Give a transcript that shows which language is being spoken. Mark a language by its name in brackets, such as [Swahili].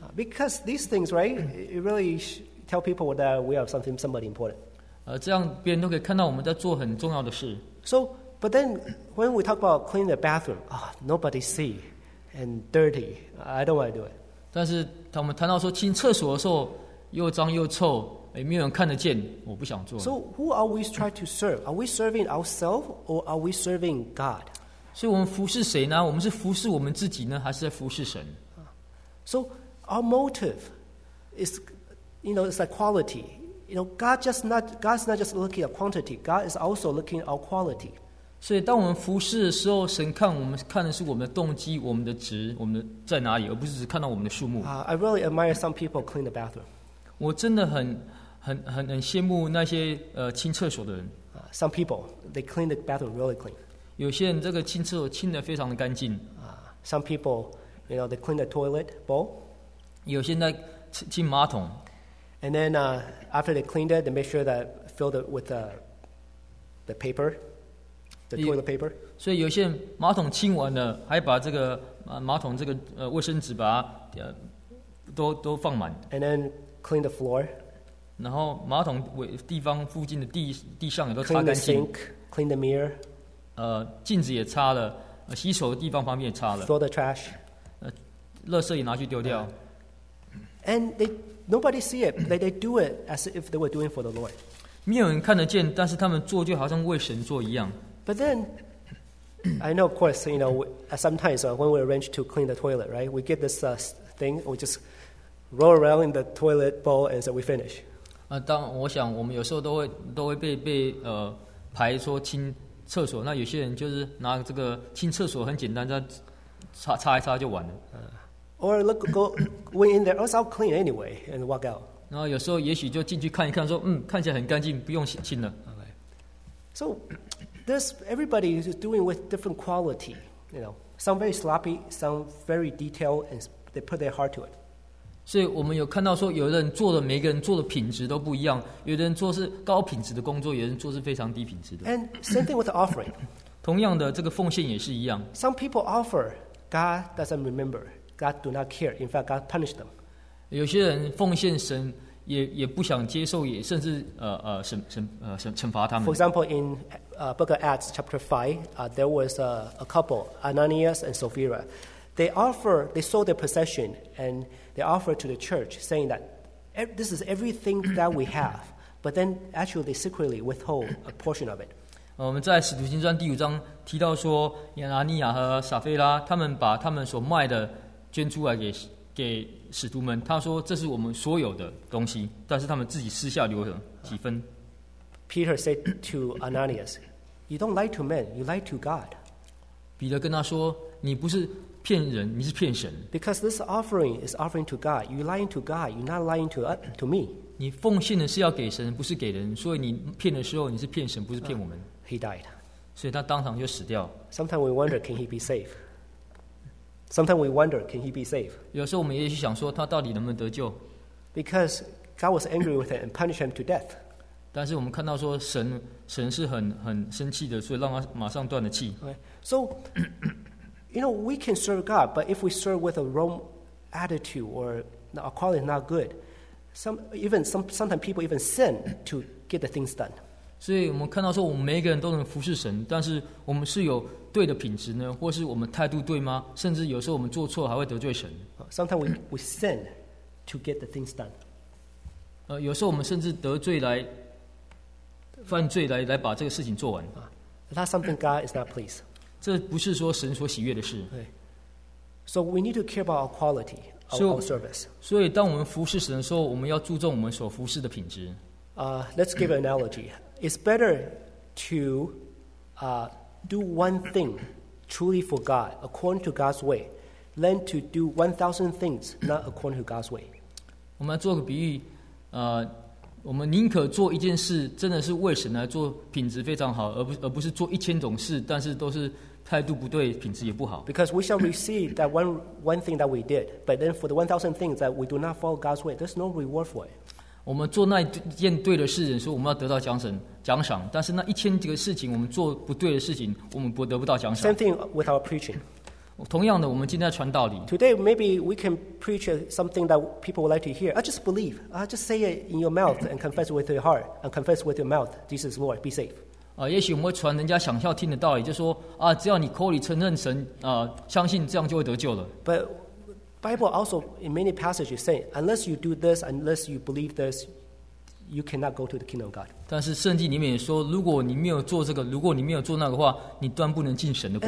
[English] Because these things, right, it really tell people that we are something, somebody important. [Chinese] 这样别人都可以看到我们在做很重要的事。 [English] So, but then when we talk about cleaning the bathroom, nobody see and dirty, I don't want to do it. [Chinese] 但是我们谈到说清厕所的时候又脏又臭，哎，没有人看得见，我不想做。 [English] So who are we trying to serve? Are we serving ourselves or are we serving God? [Chinese] 所以我们服侍谁呢？我们是服侍我们自己呢，还是在服侍神？ [English] So our motive is, you know, it's like quality. You know, God's not just looking at quantity. God is also looking at our quality. [Chinese] 所以当我们服侍的时候，神看我们看的是我们的动机、我们的值、我们的在哪里，而不是只看到我们的数目。 [English] I really admire some people clean the bathroom. [Chinese] 我真的很羡慕那些清厕所的人。 [English] Some people they clean the bathroom really clean. [Chinese] 有些人这个清厕所清得非常的干净。 [English] Some people. You know, they clean the toilet bowl. [Chinese] 有些在清马桶。 [English] And then after they cleaned it, they made sure that filled it with the paper, the toilet paper. [Chinese] 所以有些马桶清完了，还把这个马桶这个卫生纸把它都放满。 [English] And then clean the floor. [Chinese] 然后马桶地方附近的地上也都擦干净。 [English] Clean the sink, clean the mirror. [Chinese] 镜子也擦了，洗手的地方旁边也擦了。 [English] Throw the trash. [Chinese] 垃圾也拿去丢掉。 [English] And they nobody see it. They do it as if they were doing for the Lord. [Chinese] 没有人看得见，但是他们做就好像为神做一样。 [English] But then, I know, of course, you know, sometimes when we arrange to clean the toilet, right? We get this thing, we just roll around in the toilet bowl, and so we finish. [Chinese] 当我想我们有时候都会被排说清厕所，那有些人就是拿这个清厕所很简单，再擦一擦就完了。 [English] Or look, go, went in there. Oh, it's all clean anyway, and walk out. [Chinese] 然后有时候也许就进去看一看，说看起来很干净，不用清了。 [English] Okay. So, this everybody is doing with different quality. You know, some very sloppy, some very detailed, and they put their heart to it. [Chinese] 所以我们有看到说，有的人做的每个人做的品质都不一样。有的人做是高品质的工作，有人做是非常低品质的。 [English] And same thing with the offering. [Chinese] 同样的，这个奉献也是一样。 [English] Some people offer, God doesn't remember. God do not care. In fact, God punished them. [Chinese] 有些人奉献神也不想接受，也甚至惩罚他们。 [English] For example, in Book of Acts, chapter 5, there was a couple, Ananias and Sapphira. They sold their possession and they offered to the church, saying that this is everything that we have. But then actually, they secretly withhold a portion of it. [Chinese] 我们在《使徒行传》第五章提到说，亚拿尼亚和撒菲拉他们把他们所卖的捐出来给使徒们，他说这是我们所有的东西，但是他们自己私下留了几分。 [English] Peter said to Ananias, "You don't lie to men; you lie to God." [Chinese] 彼得跟他说，你不是骗人，你是骗神。 [English] Because this offering is offering to God, you lying to God, you not lying to me. [Chinese] 你奉献的是要给神，不是给人，所以你骗的时候，你是骗神，不是骗我们。 [English] He died. [Chinese] 所以他当场就死掉。 [English] Sometimes we wonder, can he be safe? Sometimes we wonder, can he be safe? [Chinese] 有时候我们也许想说，他到底能不能得救 [English] ？Because God was angry with him and punished him to death. [Chinese] 但是我们看到说神是很生气的，所以让他马上断了气。 [English] Okay. So, you know, we can serve God, but if we serve with a wrong attitude or our quality is not good, sometimes people even sin to get the things done. [Chinese] 所以我们看到说，我们每一个人都能服侍神，但是我们是有。对的品质呢，或是我们态度对吗？甚至有时候我们做错还会得罪神。 [English] Sometimes we sin to get the things done. [Chinese] 有时候我们甚至得罪来犯罪来把这个事情做完。 [English] That's something God is not pleased. [Chinese] 这不是说神所喜悦的事。 [English] So we need to care about our quality, our service. [Chinese] 所以当我们服侍神的时候，我们要注重我们所服侍的品质。 [English] Let's give an analogy. It's better to do one thing truly for God, according to God's way, learn to do 1,000 things, not according to God's way. [Chinese] 我们来做个比喻，我们宁可做一件事真的是为神来做，品质非常好，而不是做一千种事但是都是态度不对，品质也不好。 [English] Because we shall receive that one thing that we did, but then for the 1,000 things that we do not follow God's way, there's no reward for it. [Chinese] 我们做那一件对的事，说我们要得到奖赏，但是那一千个事情，我们做不对的事情，我们不得不到奖赏。 [English] Same thing with our preaching. [Chinese] 同样的，我们今天在传道理。 [English] Today maybe we can preach something that people would like to hear. I just believe. I just say it in your mouth and confess with your heart and confess with your mouth. Jesus Lord, be safe. [Chinese] 也许我们会传人家想要听的道理，就说只要你口里承认神，相信这样就会得救了。 [English] But Bible also in many passages say, unless you do this, unless you believe this, you cannot go to the kingdom of God. [Chinese] 但是圣经里面也说，如果你没有做这个，如果你没有做那个话，你断不能进神的国。